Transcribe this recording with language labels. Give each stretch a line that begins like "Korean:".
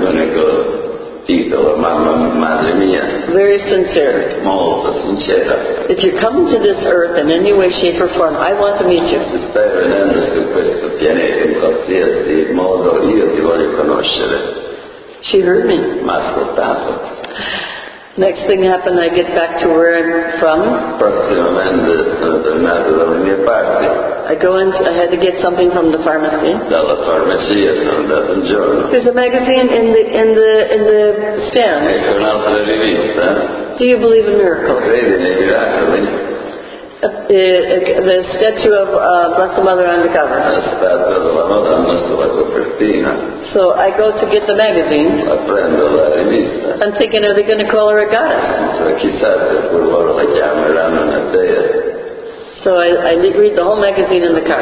Italian: L'unico titolo, mamma, madre mia.
English: Very sincere.
Italian: Molto sincera.
English: If you're coming to this earth in any way, shape, or form, I want to meet you.
Italian: Se stai venendo su questo pianeta in qualsiasi modo, io ti voglio conoscere.
English: She heard me.
Italian: M'ha ascoltato.
English: Next thing happened, I get back to where I'm from.
Italian: Prossimamente sono tornato dalla mia parte.
English: I had to get something from the pharmacy.
Italian: Dalla farmacia sono andato un giorno.
English: There's a magazine in the stand.
Italian: Ecco un'altra rivista.
English: Do you believe in miracles?
Italian: Credi nei miracoli?
English: The statue of Blessed Mother on the cover.
Italian: La statua della Madonna sulla copertina.
English: So I go to get the magazine.
Italian: La prendo la rivista.
English: I'm thinking, are they going to call her a goddess?
Italian: So chissà se pur loro la chiameranno una dea.
English: So I read the whole magazine in the car.